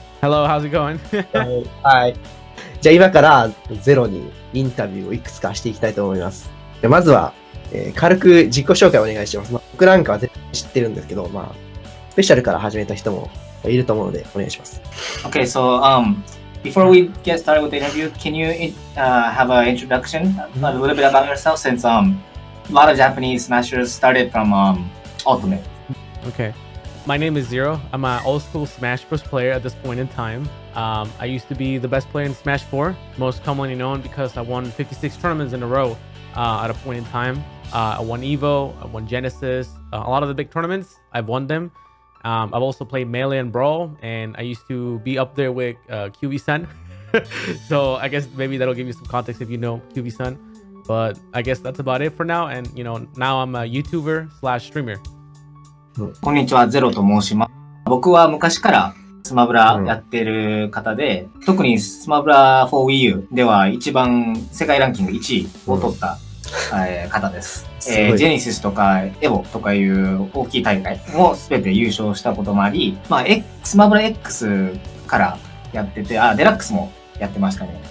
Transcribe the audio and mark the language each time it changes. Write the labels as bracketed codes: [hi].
[en] Hello, how's it going? Hi. [ja] じゃあ今からゼロにインタビューをいくつかしていきたいと思います。でまずは、軽く自己紹介をお願いします。まあ、僕なんかは絶対知ってるんですけど、まあ、スペシャルから始めた人もいると思うのでお願いします。 [en] Okay, so, before we get started with the interview, can you, have an introduction? A little bit about yourself, since, a lot of Japanese smashers started from, Ultimate. Okay. My name is Zero. I'm an old school Smash Bros. Player at this point in time. I used to be the best player in Smash 4, most commonly known because I won 56 tournaments in a row at a point in time. I won Evo, I won Genesis, a lot of the big tournaments, I've won them. I've also played Melee and Brawl, and I used to be up there with QB-san. So I guess maybe that'll give you some context if you know QB-san. But I guess that's about it for now. And you know, now I'm a YouTuber slash streamer. [ja] こんにちは、ゼロと申します。僕は昔からスマブラやってる方で、うん、特にスマブラ 4WiiU では一番世界ランキング1位を取った、うん、方です。ジェネシスとかエボとかいう大きい大会も全て優勝したこともあり、まあ、スマブラ X からやってて、あ、デラックスもやってましたね。